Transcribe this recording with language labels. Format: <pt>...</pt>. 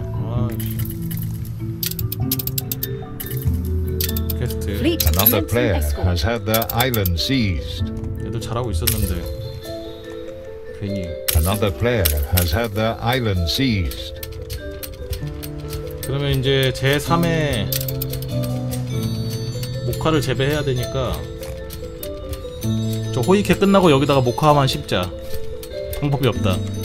<ko>아,</ko> <en>another player has had the island seized.</en> <ko>얘들 잘하고 있었는데 괜히.</ko> <en>Another player has had the island seized.</en> <ko>그러면 이제 제3의 목화를 재배해야 되니까 저 호이케 끝나고 여기다가 목화만 심자. 방법이 없다.</ko>